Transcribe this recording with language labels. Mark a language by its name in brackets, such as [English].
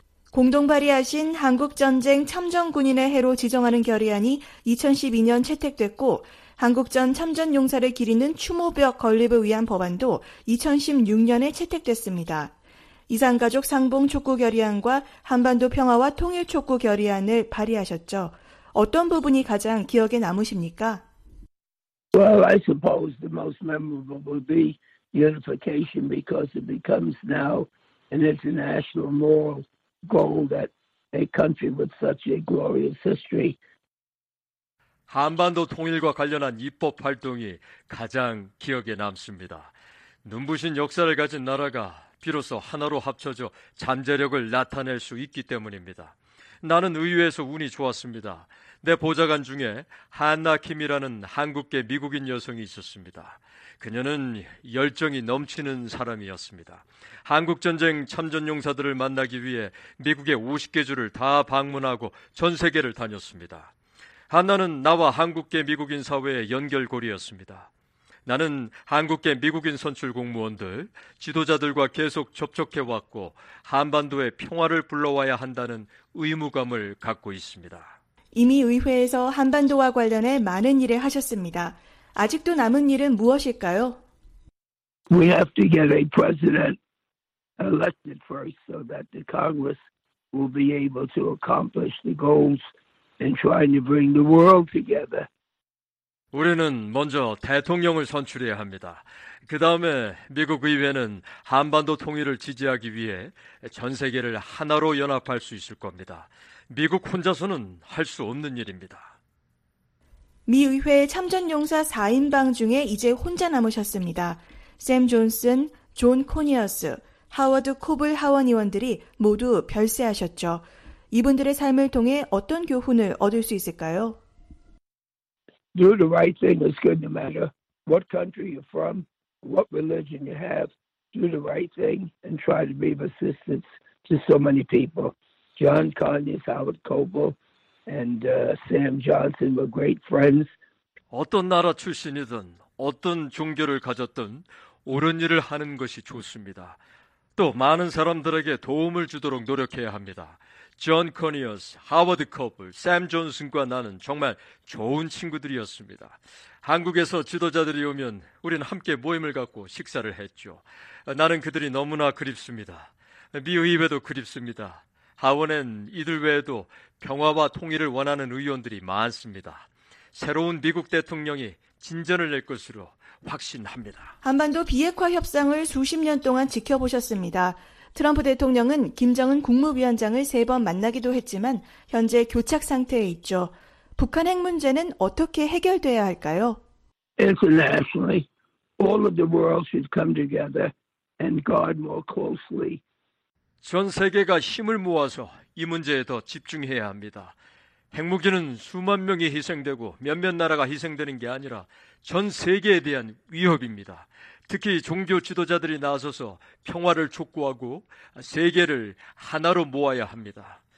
[Korean] 공동발의하신 한국전쟁 참전군인의 해로 지정하는 결의안이 2012년 채택됐고 한국전 참전용사를 기리는 추모벽 건립을 위한 법안도 2016년에 채택됐습니다. 이산가족 상봉 촉구 결의안과 한반도 평화와 통일 촉구 결의안을 발의하셨죠. 어떤 부분이 가장 기억에 남으십니까? [English] Well, I suppose the most memorable will be unification because it becomes now an international moral goal that a country with such a glorious history. [Korean] 한반도 통일과 관련한 입법 활동이 가장 기억에 남습니다. 눈부신 역사를 가진 나라가 비로소 하나로 합쳐져 잠재력을 나타낼 수 있기 때문입니다. 나는 의회에서 운이 좋았습니다. 내 보좌관 중에 한나 킴이라는 한국계 미국인 여성이 있었습니다. 그녀는 열정이 넘치는 사람이었습니다. 한국전쟁 참전용사들을 만나기 위해 미국의 50개 주를 다 방문하고 전 세계를 다녔습니다. 한나는 나와 한국계 미국인 사회의 연결고리였습니다. 나는 한국계 미국인 선출 공무원들, 지도자들과 계속 접촉해왔고 한반도에 평화를 불러와야 한다는 의무감을 갖고 있습니다. 이미 의회에서 한반도와 관련해 많은 일을 하셨습니다. 아직도 남은 일은 무엇일까요? [English] We have to get a president elected first so that the Congress will be able to accomplish the goals in trying to bring the world together. [Korean] 우리는 먼저 대통령을 선출해야 합니다. 그 다음에 미국 의회는 한반도 통일을 지지하기 위해 전 세계를 하나로 연합할 수 있을 겁니다. 미국 혼자서는 할 수 없는 일입니다. 미 의회 참전용사 4인방 중에 이제 혼자 남으셨습니다. 샘 존슨, 존 코니어스, 하워드 코블 하원의원들이 모두 별세하셨죠. 이분들의 삶을 통해 어떤 교훈을 얻을 수 있을까요? [English] Do the right thing is good no matter what country you're from, what religion you have. Do the right thing and try to be of assistance to so many people. John Conyers, Howard Coble, and Sam Johnson were great friends. [Korean] 어떤 나라 출신이든 어떤 종교를 가졌든 옳은 일을 하는 것이 좋습니다. 또 많은 사람들에게 도움을 주도록 노력해야 합니다. 존 코니어스, 하워드 커플, 샘 존슨과 나는 정말 좋은 친구들이었습니다. 한국에서 지도자들이 오면 우린 함께 모임을 갖고 식사를 했죠. 나는 그들이 너무나 그립습니다. 미 의회도 그립습니다. 하원엔 이들 외에도 평화와 통일을 원하는 의원들이 많습니다. 새로운 미국 대통령이 진전을 낼 것으로 확신합니다. 한반도 비핵화 협상을 수십 년 동안 지켜보셨습니다. 트럼프 대통령은 김정은 국무위원장을 세 번 만나기도 했지만 현재 교착 상태에 있죠. 북한 핵 문제는 어떻게 해결돼야 할까요? [English] Internationally, all of the world should come together and guard more closely. [Korean] 전 세계가 힘을 모아서 이 문제에 더 집중해야 합니다. 핵무기는 수만 명이 희생되고 몇몇 나라가 희생되는 게 아니라 전 세계에 대한 위협입니다. 특히 종교 지도자들이 나서서 평화를 촉구하고 세계를 하나로 모아야 합니다.